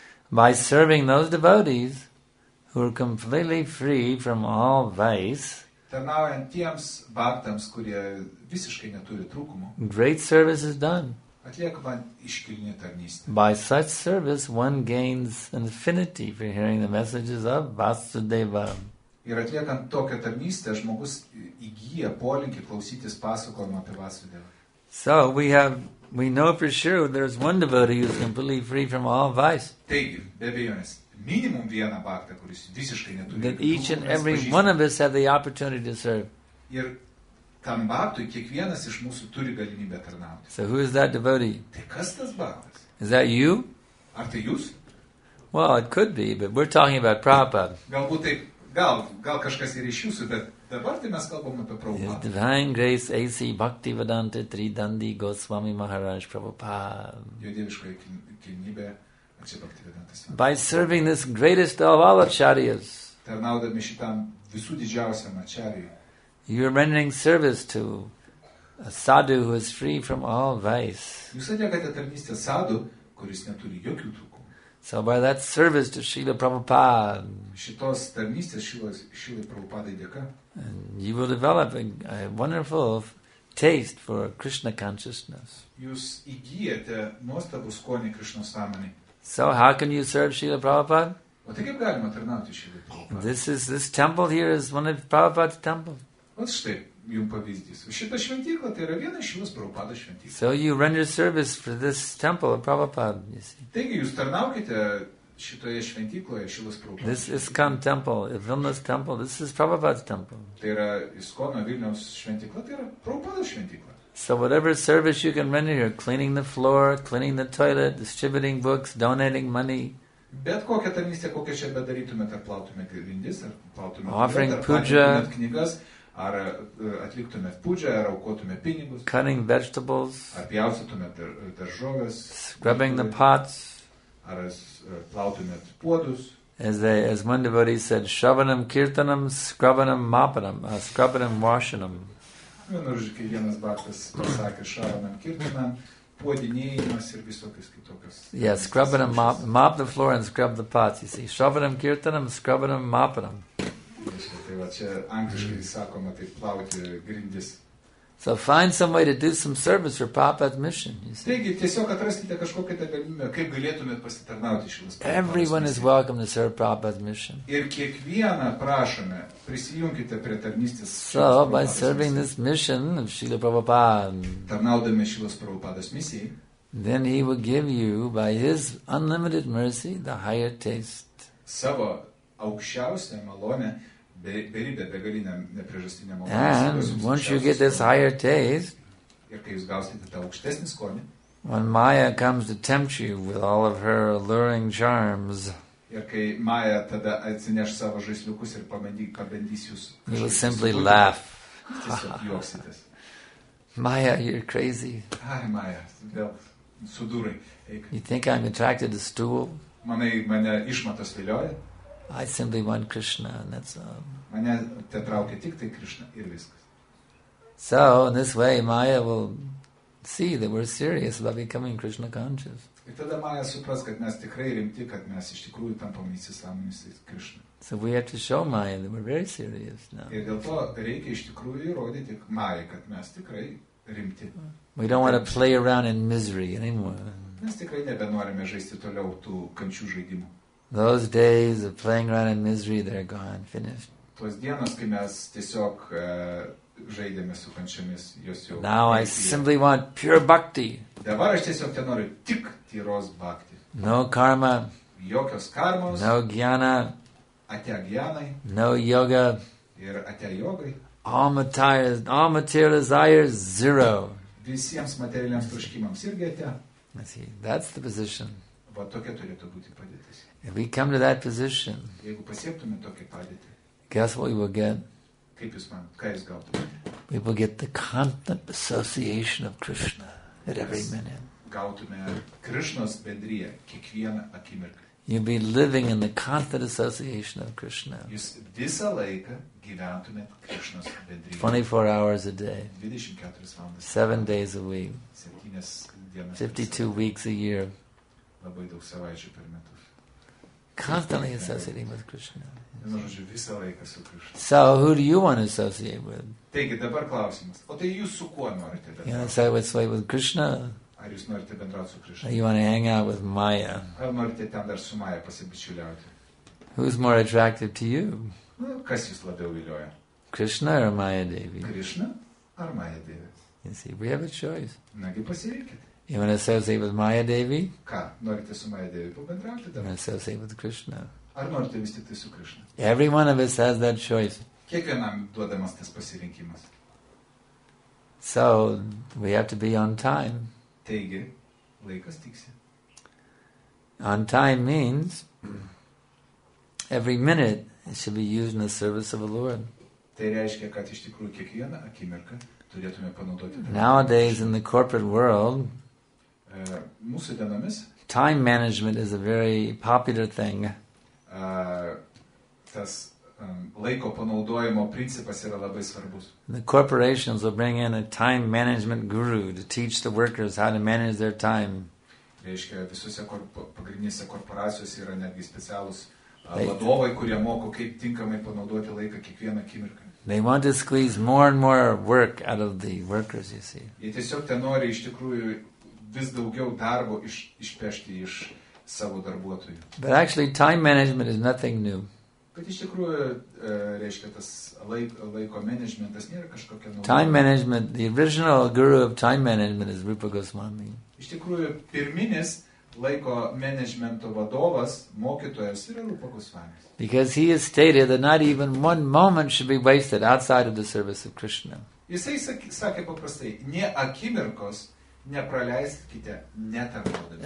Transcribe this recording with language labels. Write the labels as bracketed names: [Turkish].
[English] By serving those devotees who are completely free from all vice, [Lithuanian] tarnaujant tiems bhaktams, kurie visiškai neturi trūkumų, [English] great service is done. [Lithuanian] Atliekama iškilni tarnystė. [English] By such service one gains infinity for hearing the messages of Vasudeva. [Lithuanian] Ir atliekant tokią tarnystę, žmogus įgyja polinkį klausytis pasakojimo apie Vasudevą. [English] So we know for sure there's one devotee who's completely free from all vice. [Lithuanian] Taigi, be abejonės, minimum vieną bhaktą, kuris visiškai neturi. [English] That each and every one of us have the opportunity to serve. [Lithuanian] Ir tam bhaktui kiekvienas iš mūsų turi galimybę tarnauti. [English] So who is that devotee? [Lithuanian] Tai kas tas bhaktas? [English] Is that you? [Lithuanian] Ar tai jūs? [English] Well, it could be, but we're talking about Prabhupada. [Lithuanian] Galbūt taip, gal kažkas ir iš jūsų, bet dabar tai mes kalbam apie Prabhupada. [English] His divine grace A.C. Bhaktivedanta Tridandi Goswami Maharaj Prabhupada. [Lithuanian] Jo dieviškoji kilnybė A.C. Bhaktivedanta Swami. [English] By serving this greatest of all acharyas. [Lithuanian] Tarnaudami šitam visų didžiausiam acharyui. [English] You are rendering service to a sadhu who is free from all vice. [Lithuanian] Jūs atliekate tarnystę sadhu, kuris neturi jokių trūkumų. [English] So by that service to Srila Prabhupada. [Lithuanian] Šitos tarnystės Srila Prabhupada dėka. [English] And you will develop a wonderful taste for Krishna consciousness. [Lithuanian] Jūs įgyjate nuostabų skonį Krishna sąmonį. [English] So how can you serve Srila Prabhupada? [Lithuanian] O tai kaip galima tarnauti Srila Prabhupada? [English] This temple here is one of Prabhupada's temples. [Lithuanian] Vat štai jums pavyzdys. Šita šventykla tai yra viena iš jūsų Prabhupada šventyklų. [English] So you render service for this temple of Prabhupada, you see. [Lithuanian] Taigi jūs tarnaukite šitoje šventykloje Šilas Prabhupada. [English] This is Iskon temple, Vilnius temple, this is Prabhupada's temple. [Lithuanian] Tai yra Iskono Vilniaus šventykla, tai yra Prabhupada šventykla. [English] So whatever service you can render here, cleaning the floor, cleaning the toilet, distributing books, donating money. [Lithuanian] Bet kokią tarnystę, kokią čia bedarytumėt, ar plautumėt grindis, ar plautumėt [English] offering puja, [Lithuanian] knygas, ar atliktumėt puja, ar aukotumėt pinigus, [English] cutting vegetables, [Lithuanian] ar pjaustytumėt daržoves, [English] scrubbing the pots, [Lithuanian] ar plautumėt puodus. [English] As one devotee said, shravanam kirtanam, scrubanam mopanam, scrubanam washanam. [Lithuanian] Vienas bhaktas pasakė, shravanam kirtanam, puodinėjimas ir visokios kitokios. [English] Yes, scrubanam mop the floor and scrub the pots, you see. Shravanam kirtanam, scrubanam mopanam. [Lithuanian] Tai va čia angliškai sakoma, tai plauti grindis. [English] So find some way to do some service for Prabhupada's mission. [Lithuanian] Taigi, tiesiog atraskite kažkokią tą galimybę, kaip galėtumėt pasitarnauti šiems [English] Prabhupada's. Everyone is welcome to serve Prabhupada's mission. [Lithuanian] Ir kiekvieną prašome, prisijunkite prie tarnystės. [English] So, by serving this mission of Srila Prabhupada, [Lithuanian] tarnaudami Srilos Prabhupada's misijai, [English] then he will give you, by his unlimited mercy, the higher taste. [Lithuanian] Savo aukščiausią malonę, beribę, begalinę, nepriežastinę malonę. [English] And once you get this higher taste, [Lithuanian] ir kai jūs gausite tą aukštesnį skonį, [English] when Maya comes to tempt you with all of her alluring charms, [Lithuanian] ir kai Maya tada atsineš savo žaisliukus ir pabandys jūs, [English] you will simply laugh. [Lithuanian] Tiesiog juoksitės. [English] Maya, you're crazy. [Lithuanian] Ai, Maya, vėl sudūrai. [English] You think I'm attracted to stool? [Lithuanian] Manai, mane išmatas vilioja? [English] I simply want Krishna, and that's all. [Lithuanian] Mane te traukia tik tai Krishna, ir viskas. [English] So, in this way, Maya will see that we're serious about becoming Krishna conscious. [Lithuanian] Ir tada Maya supras, kad mes tikrai rimti, kad mes iš tikrųjų tampam įsisąmonis Krishna. [English] So we have to show Maya that we're very serious now. [Lithuanian] Ir dėl to reikia iš tikrųjų įrodyti Maya, kad mes tikrai rimti. [English] We don't want to play around in misery anymore. [Lithuanian] Mes tikrai nebenorime žaisti toliau tų kančių žaidimų. [English] Those days of playing around in misery, they're gone, finished. [Lithuanian] Tos dienos, kai mes tiesiog žaidėme su kančiomis, jos jau... [English] Now I simply want pure bhakti. [Lithuanian] Dabar aš tiesiog te noriu tik tyros bhakti. [English] No karma. [Lithuanian] Jokios karmos. [English] No jnana. [Lithuanian] Atia [English] no yoga. [Lithuanian] Ir atia yogai. [English] All material desires, zero. [Lithuanian] Visiems materialiams troškimams irgi atia. [English] I see. That's the position. [Lithuanian] Va tokia turėtų būti padėtis. [English] If we come to that position, [Lithuanian] jeigu pasiektume tokį padėtį, [English] guess what we will get? [Lithuanian] Kaip jūs man, ką jūs gautumėte? [English] We will get the constant association of Krishna at every minute. [Lithuanian] Gautume Krishnos bendriją kiekvieną akimirką. [English] You'll be living in the constant association of Krishna. [Lithuanian] Jūs visą laiką gyventumėt Krishnos bendrybėje. [English] 24 hours a day. [Lithuanian] 24 valandas. [English] 7 days a week. [Lithuanian] 7 dienas. [English] 52 weeks a year. [Lithuanian] Labai daug savaičių per metus. [English] Constantly associating with Krishna. [Lithuanian] Žodžiu, visą laiką su Krishna. [English] So who do you want to associate with? [Lithuanian] Taigi, dabar klausimas. O tai jūs su kuo norite [English] bendrauti? You want to associate with Krishna? [Lithuanian] Ar jūs norite bendrauti su Krishna? [English] You want to hang out with Maya? [Lithuanian] Ar norite ten dar su Maya pasibičiuliauti? [English] Who's more attractive to you? [Lithuanian] Kas jūs labiau vilioja? [English] Krishna or Maya Devi? [Lithuanian] Krishna ar Maya Devi? [English] You see, we have a choice. [Lithuanian] Nagi pasirinkite. [English] You want to associate with Maya Devi? [Lithuanian] Ką? Norite su Maya Devi pabendrauti? [English] You want to associate with Krishna? [Lithuanian] Ar norite vis tik tai su Krishna? [English] Every one of us has that choice. [Lithuanian] Kiekvienam duodamas tas pasirinkimas. [English] So, we have to be on time. [Lithuanian] Taigi, laikas tiksi. [English] On time means every minute it should be used in the service of the Lord. [Lithuanian] Tai reiškia, kad iš tikrųjų kiekvieną akimirką turėtume panaudoti. [English] Nowadays in the corporate world, [Lithuanian] mūsų dienomis, [English] time management is a very popular thing. [Lithuanian] Tas laiko panaudojimo principas yra labai svarbus. [English] The corporations will bring in a time management guru to teach the workers how to manage their time. [Lithuanian] Reiškia, visose pagrindinėse korporacijose yra netgi specialūs vadovai, kurie moko, kaip tinkamai panaudoti laiką kiekvieną akimirką. [English] They want to squeeze more and more work out of the workers, you see. [Lithuanian] Jie tiesiog ten nori iš tikrųjų vis daugiau darbo išpešti iš savo darbuotojų. [English] But actually, time management is nothing new. [Lithuanian] Bet iš tikrųjų, reiškia, tas laiko managementas nėra kažkokia nauja. [English] Time management, the original guru of time management is Rupa Goswami. [Lithuanian] Iš tikrųjų, pirminis laiko managemento vadovas, mokytojas yra Rupa Goswami. [English] Because he has stated that not even one moment should be wasted outside of the service of Krishna. [Lithuanian] Jisai sakė paprastai, nė akimirkos nepraleiskite netarnaudami.